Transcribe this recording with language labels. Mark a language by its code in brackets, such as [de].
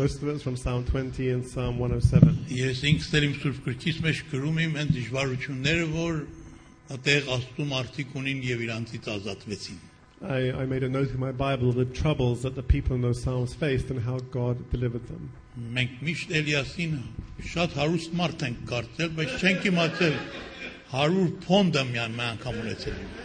[en] Most of it is from Psalm 20 and Psalm 107. [hy] Ես ինքստերիմ սուրբքրկիս մեջ գրում եմ այն դժվարությունները, որ այդեղ Աստծո մարդիկ ունին եւ իրանցից ազատվեցին։ [en] I made a note in my Bible of the troubles that the people in those psalms faced and how God delivered them. [hy] Մենք միշտ Էլիասին շատ հարուստ մարդ ենք կարծել, բայց չենք իմացել 100 փոնդ միայն մի անգամ ունեցել։